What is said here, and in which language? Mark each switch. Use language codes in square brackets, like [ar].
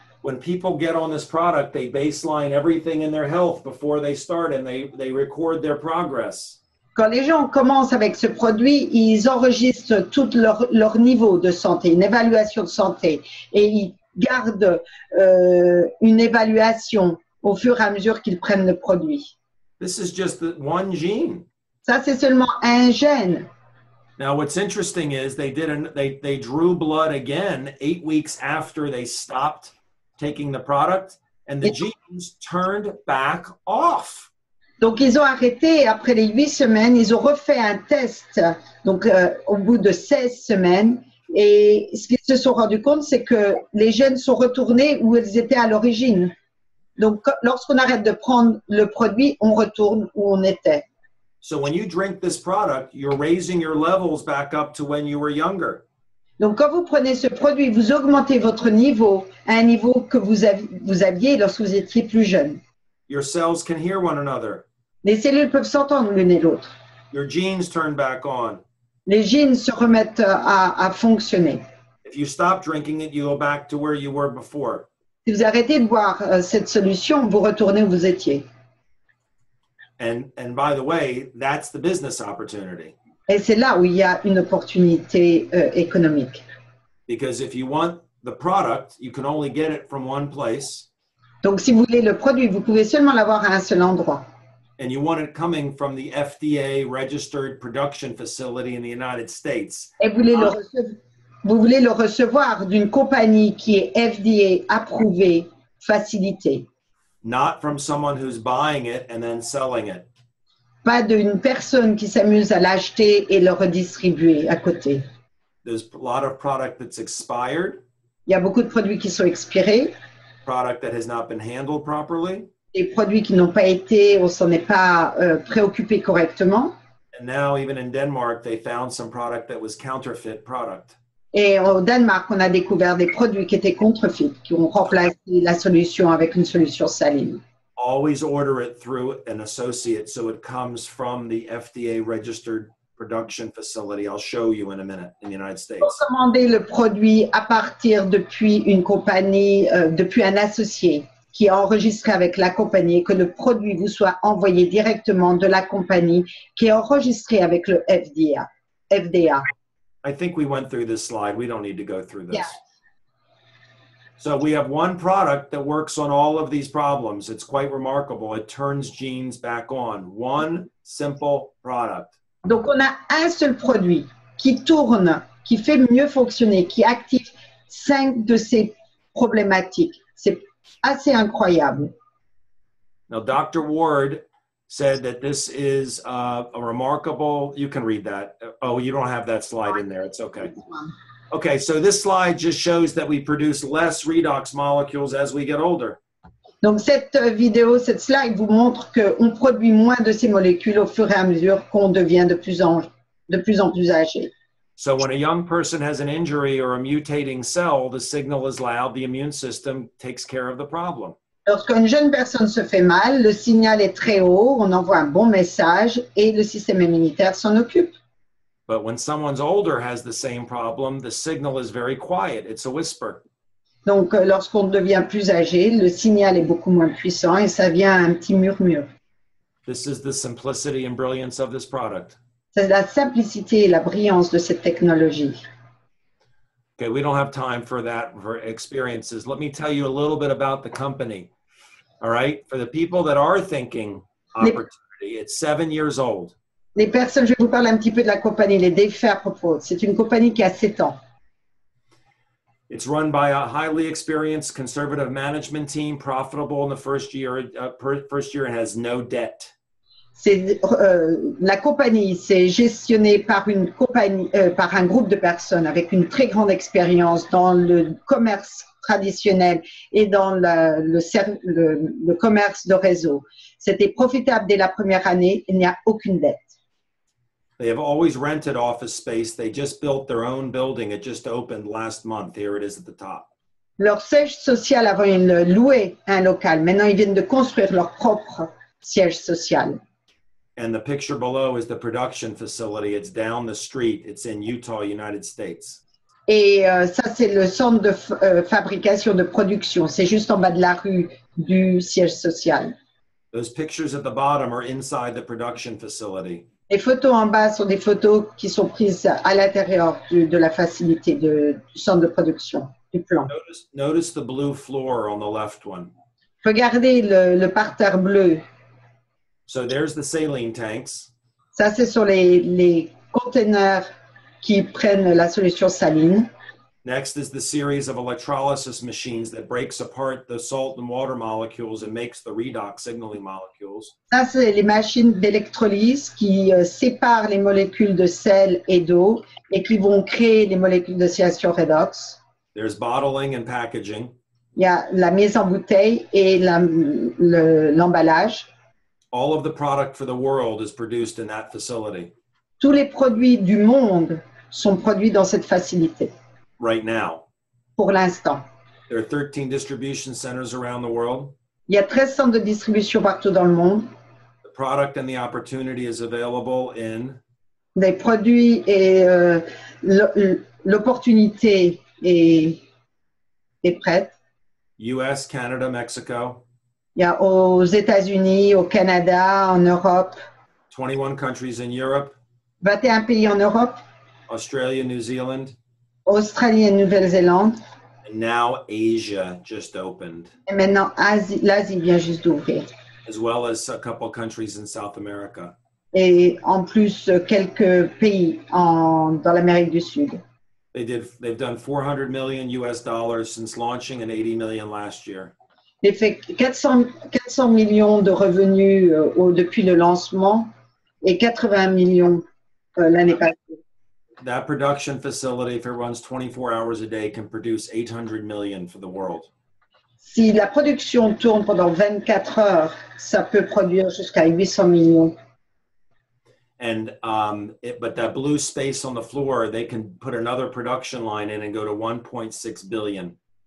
[en] When people get on this product, they baseline everything in their health before they start and they record their progress. [fr] Quand les gens commencent avec ce produit, ils enregistrent tout leur niveau de santé, une évaluation de santé, et ils gardent une évaluation au fur et à mesure qu'ils prennent le produit. [en] This is just one gene. [fr] Ça, c'est seulement un gène. [en] Now, what's interesting is they drew blood again 8 weeks after they stopped taking the product, and the genes turned back off. [fr] Donc, ils ont arrêté après les 8 semaines. Ils ont refait un test, donc au bout de 16 semaines. Et ce qu'ils se sont rendus compte, c'est que les gènes sont retournés où ils étaient à l'origine. Donc, lorsqu'on arrête de prendre le produit, on retourne où on était. [en] So when you drink this product, you're raising your levels back up to when you were younger. [fr] Donc, quand vous prenez ce produit, vous augmentez votre niveau à un niveau que vous aviez lorsque vous étiez plus jeune. [en] Your cells can hear one another. [fr] Les cellules peuvent s'entendre l'une et l'autre. [en] Your genes turn back on. [fr] Les gènes se remettent à fonctionner. [en] If you stop drinking it, you go back to where you were before. [fr] Si vous arrêtez de boire cette solution, vous retournez où vous étiez. [en] And by the way, that's the business opportunity. [fr] Et c'est là où il y a une opportunité économique. [en] Because if you want the product, you can only get it from one place. [fr] Donc, si vous voulez le produit, vous pouvez seulement l'avoir à un seul endroit. [en] And you want it coming from the FDA registered production facility in the United States. [fr] Et vous voulez le recevoir d'une compagnie qui est FDA approuvée, facilitée. [en] Not from someone who's buying it and then selling it. [fr] Pas d'une personne qui s'amuse à l'acheter et le redistribuer à côté. [en] There's a lot of product that's expired. [fr] Il y a beaucoup de produits qui sont expirés. [en] Product that has not been handled properly. [fr] Des produits qui n'ont pas été, on s'en est pas préoccupé correctement. [en] And now even in Denmark, they found some product that was counterfeit product. [fr] Et au Danemark, on a découvert des produits qui étaient contrefaits, qui ont remplacé la solution avec une solution saline. [en] Always order it through an associate so it comes from the FDA registered production facility. I'll show you in a minute in the United States. [fr] Pour commander le produit à partir depuis une compagnie, depuis un associé qui est enregistré avec la compagnie, que le produit vous soit envoyé directement de la compagnie qui est enregistrée avec le FDA. [en] I think we went through this slide. We don't need to go through this. Yeah. So we have one product that works on all of these problems. It's quite remarkable. It turns genes back on. One simple product. [fr] Donc on a un seul produit qui tourne, qui fait mieux fonctionner, qui active 5 de ces problématiques. C'est assez incroyable. [en] Now Dr. Ward said that this is a remarkable, you can read that. Oh, you don't have that slide in there. It's okay. Okay, so this slide just shows that we produce less redox molecules as we get older. [fr] Donc cette vidéo, cette slide vous montre qu'on produit moins de ces molécules au fur et à mesure qu'on devient de plus en plus âgé. [en] So when a young person has an injury or a mutating cell, the signal is loud, the immune system takes care of the problem. [fr] Lorsqu'une jeune personne se fait mal, le signal est très haut, on envoie un bon message et le système immunitaire s'en occupe. [en] But when someone's older has the same problem, the signal is very quiet. It's a whisper. [fr] Donc, lorsqu'on devient plus âgé, le signal est beaucoup moins puissant et ça vient un petit murmure. [en] This is the simplicity and brilliance of this product. [fr] C'est la simplicité et la brillance de cette technologie. [en] Okay, we don't have time for that, for experiences. Let me tell you a little bit about the company. All right, for the people that are thinking opportunity, it's 7 years old. [fr] Les personnes, je vais vous parler un petit peu de la compagnie, les défis à propos. C'est une compagnie qui a 7 ans. [en] It's run by a highly experienced conservative management team, profitable in the first year, and has no debt. [fr] C'est la compagnie, c'est gestionnée par une compagnie, par un groupe de personnes avec une très grande expérience dans le commerce traditionnel et dans le commerce de réseau. C'était profitable dès la première année, il n'y a aucune dette. [en] They have always rented office space. They just built their own building. It just opened last month. Here it is at the top. [fr] Leur siège social avant, ils louaient un local. Maintenant, ils viennent de construire leur propre siège social. [en] And the picture below is the production facility. It's down the street. It's in Utah, United States. [fr] Et ça, c'est le centre de fabrication de production. C'est juste en bas de la rue du siège social. [en] Those pictures at the bottom are inside the production facility. [fr] Les photos en bas sont des photos qui sont prises à l'intérieur de la facilité du centre de production, du plan. [en] Notice the blue floor on the left one. [fr] Regardez le parterre bleu. [en] So there's the saline tanks. [fr] Ça, c'est sur les conteneurs qui prennent la solution saline. [en] Next is the series of electrolysis machines that breaks apart the salt and water molecules and makes the redox signaling molecules. [fr] Ça, c'est les machines d'électrolyse qui séparent les molécules de sel et d'eau et qui vont créer les molécules de signalisation redox. [en] There's bottling and packaging. [fr] Il y a la mise en bouteille et l'emballage. [en] All of the product for the world is produced in that facility. [fr] Tous les produits du monde sont produits dans cette facilité. [en] Right now. [fr] Pour l'instant. [en] There are 13 distribution centers around the world. [fr] Il y a 13 centres de distribution partout dans le monde. [en] The product and the opportunity is available in. [fr] Les produits et l'opportunité est prête. [en] US, Canada, Mexico. [fr] Il y a aux États-Unis, au Canada, en Europe. [en] 21 countries in Europe. [fr] 21 pays en Europe. [en] Australia, New Zealand. [fr] Australie et Nouvelle-Zélande. [en] And now Asia just opened. [fr] Et maintenant l'Asie vient juste d'ouvrir. [en] As well as a couple countries in South America. [fr] Et en plus quelques pays dans l'Amérique du Sud. [en] They've done $400 million since launching and $80 million last year. [fr] Ils ont fait 400 millions de revenus depuis le lancement et 80 millions l'année passée. [en] That production facility, if it runs 24 hours a day, can produce 800 million for the world. [fr] Si la production tourne pendant 24 heures, ça peut produire jusqu'à 800 millions. [en] And but that blue space on the floor, they can put another production line in and go to 1.6 billion.